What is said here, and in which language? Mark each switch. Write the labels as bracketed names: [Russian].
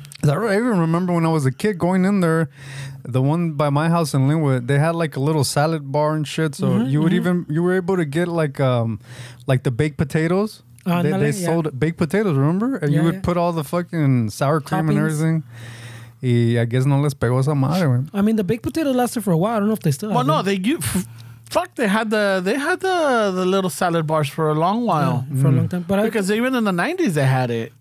[English] I even remember when I was a kid going in there, the one by my house in Linwood, they had like a little salad bar and shit. So you were able to get like the baked potatoes. They sold baked potatoes, remember? And you would put all the fucking sour cream toppings and everything. [Spanish] Y [English] I guess [Spanish] no les pegó esa madre. [English] I mean, the baked potatoes lasted for a while. I don't know if they still have them. Well, no, they had the little salad bars for a long while. Yeah, for a long time. But because even in the 90s, they had it.